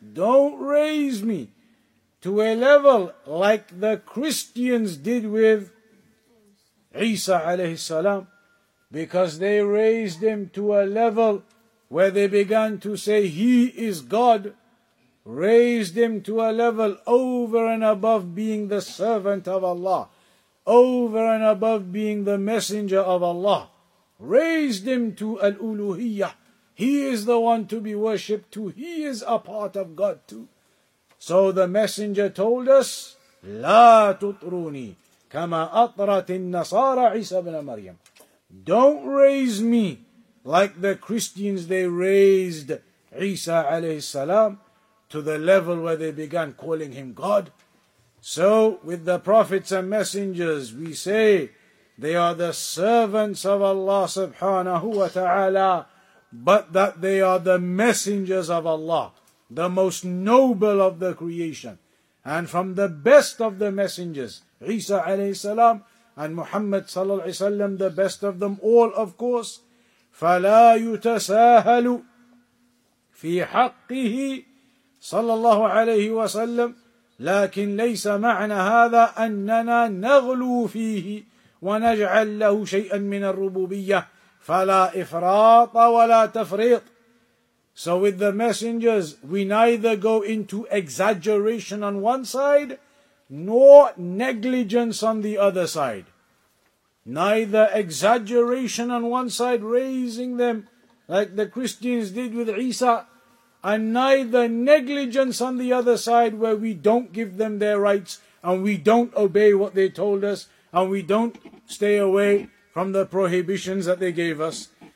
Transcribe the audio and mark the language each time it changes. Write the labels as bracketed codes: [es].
[en] Don't raise me to a level like the Christians did with Isa alayhi salam, because they raised him to a level where they began to say he is God. Raised him to a level over and above being the servant of Allah, over and above being the messenger of Allah. Raised him to al-uluhiyyah. He is the one to be worshipped too. He is a part of God too. So the messenger told us, [ar] لا تطروني كما أطرت النصارى عيسى بن مريم. [en] Don't raise me like the Christians, they raised Isa alayhi salam to the level where they began calling him God. So with the prophets and messengers, we say they are the servants of Allah subhanahu wa ta'ala, but that they are the messengers of Allah, the most noble of the creation, and from the best of the messengers, Isa alayhi salam, and Muhammad sallallahu alayhi wasallam, the best of them all, of course. [ar] فَلَا يُتَسَاهَلُ فِي حَقِّهِ صلى الله عليه وسلم لكن ليس معنى هذا أننا نغلو فيه ونجعل له شيئا من الربوبية فلا إفراط ولا تفريط. [en] So with the messengers, we neither go into exaggeration on one side nor negligence on the other side. Neither exaggeration on one side, raising them like the Christians did with Isa, and neither negligence on the other side where we don't give them their rights and we don't obey what they told us and we don't stay away from the prohibitions that they gave us.